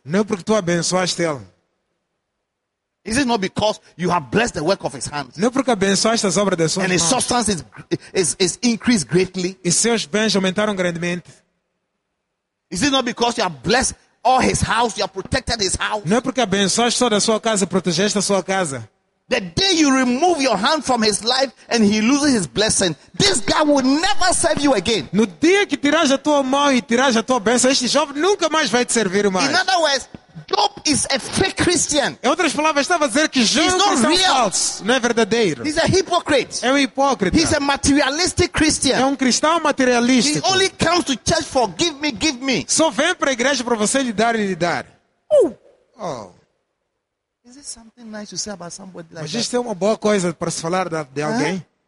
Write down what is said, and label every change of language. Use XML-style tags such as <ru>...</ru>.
<pt>Não porque tu abençoaste ele.</pt> <en>Is it not because you have blessed the work of his hands?</en> <pt>Não porque abençoaste as obras de suas</pt> <en>mãos. And his substance is increased greatly.</en> <pt>E seus bens aumentaram grandemente.</pt> <en>Is it not because you have blessed all his house, you have protected his house?</en> <pt>Não é porque abençoaste toda a sua casa, protegeste a sua casa.</pt> <en>The day you remove your hand from his life and he loses his blessing, this guy will never serve you again.</en> <pt>No dia que tiras a tua mão e tiras a tua bênção, este jovem nunca mais vai te servir mais.</pt> <en>In other words, Job is a fake Christian.</en> <pt>Em outras palavras, estava a dizer que Job não é falso, não é verdadeiro.</pt> <en>He's a hypocrite.</en> <pt>É um hipócrita.</pt> <en>He's a materialistic Christian.</en> <pt>É um cristão materialista.</pt> <en>He only comes to church for give me, give me.</en> <pt>Só vem para a igreja para você lhe dar e lhe dar. Oh. Oh.</pt> <en>Is it something nice to say about somebody like</en> <pt>Mas isso é uma boa coisa para se falar de alguém?</pt>